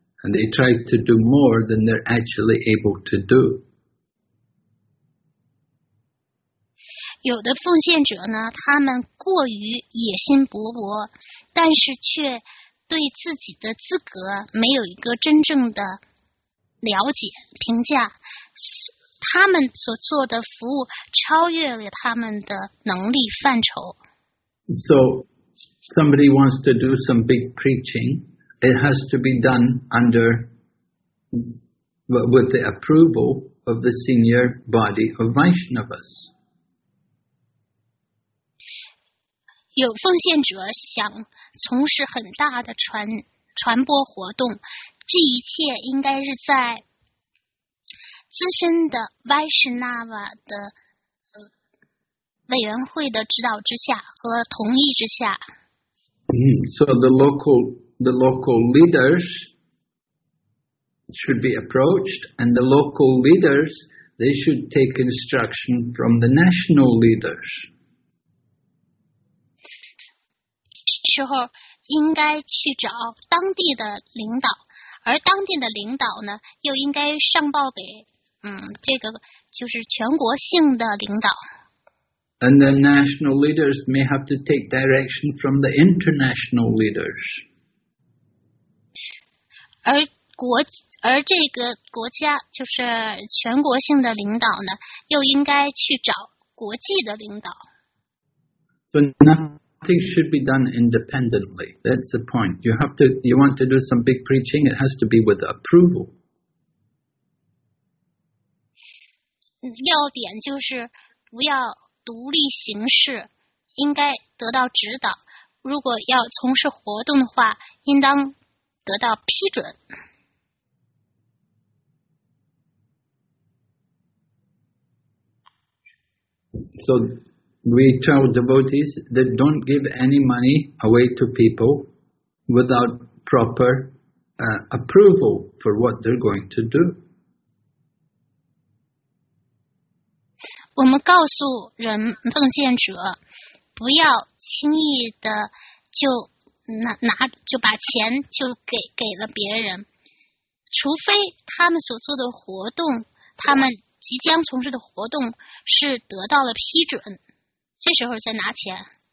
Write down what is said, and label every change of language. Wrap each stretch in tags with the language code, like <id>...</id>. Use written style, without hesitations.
<en>And they try to do more than they're actually able to do.</en> <zh>有的奉献者呢，他们过于野心勃勃，但是却对自己的资格没有一个真正的了解、评价。他们所做的服务超越了他们的能力范畴。</zh> <en>So, somebody wants to do some big preaching. It has to be done with the approval of the senior body of Vaishnavas.</en> <zh>有奉献者想从事很大的传播活动，这一切应该是在资深的 Vaishnava 的委员会的指导之下和同意之下。</zh> <en>So the local leaders should be approached, and the local leaders they should take instruction from the national leaders.</en> <zh>时候应该去找当地的领导，而当地的领导呢，又应该上报给这个就是全国性的领导。</zh> <en>And the national leaders may have to take direction from the international leaders.</en> <zh>而这个国家就是全国性的领导呢，又应该去找国际的领导。</zh> <en>So nothing should be done independently. That's the point. You want to do some big preaching, it has to be with approval.</en> <zh>要点就是不要独立行事，应该得到指导。如果要从事活动的话，应当得到批准。</zh> <en>So we tell devotees that don't give any money away to people without proper approval for what they're going to do.</en> <zh>我们告诉人奉献者不要轻易的就拿就把钱就给了别人，除非他们所做的活动他们即将从事的活动是得到了批准，这时候再拿钱。</zh>